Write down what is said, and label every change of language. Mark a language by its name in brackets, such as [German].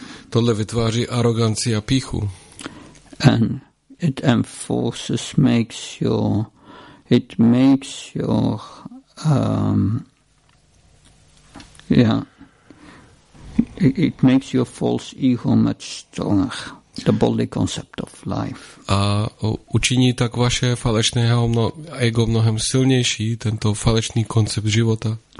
[Czech] Tohle vytváří aroganci a píchu. [English] And it enforces, makes your false ego much stronger. The bodily concept of life. [Czech] A učiní tak vaše falešné ego mnohem silnější, tento falešný koncept života.